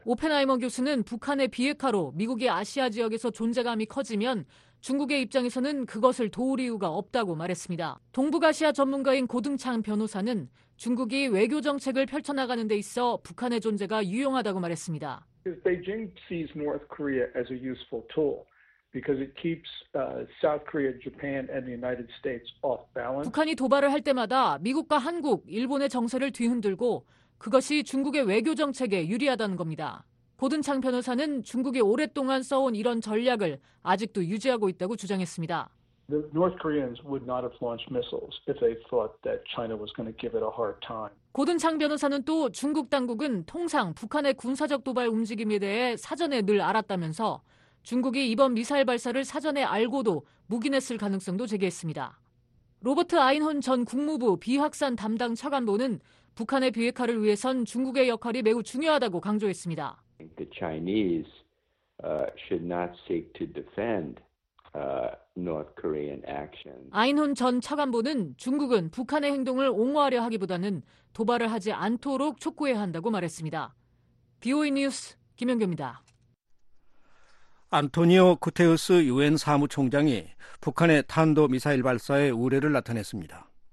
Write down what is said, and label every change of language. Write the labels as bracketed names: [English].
[Korean] 오펜하이머 교수는 북한의 비핵화로 미국의 아시아 지역에서 존재감이 커지면 중국의 입장에서는 그것을 도울 이유가 없다고 말했습니다. 동북아시아 전문가인 고등창 변호사는 중국이 외교 정책을 펼쳐나가는 데 있어 북한의 존재가 유용하다고 말했습니다. [English] Beijing sees North Korea as a useful tool. Because it keeps South Korea, Japan, and the United States off balance. [Korean] 북한이 도발을 할 때마다 미국과 한국, 일본의 정세를 뒤흔들고 그것이 중국의 외교 정책에 유리하다는 겁니다. 고든창 변호사는 중국이 오랫동안 써온 이런 전략을 아직도 유지하고 있다고 주장했습니다. [English] The North Koreans would not have launched missiles if they thought that China was going to give it a hard time. [Korean] 고든창 변호사는 또 중국 당국은 통상 북한의 군사적 도발 움직임에 대해 사전에 늘 알았다면서 중국이 이번 미사일 발사를 사전에 알고도 묵인했을 가능성도 제기했습니다. 로버트 아인헌 전 국무부 비확산 담당 차관보는 북한의 비핵화를 위해선 중국의 역할이 매우 중요하다고 강조했습니다. [English] The Chinese should not seek to defend North Korean action. [Korean] 아인헌 전 차관보는 중국은 북한의 행동을 옹호하려 하기보다는 도발을 하지 않도록 촉구해야 한다고 말했습니다. BOE 뉴스 김영규입니다. 안토니오 구테우스 유엔 사무총장이 북한의 탄도미사일 발사에 우려를 나타냈습니다.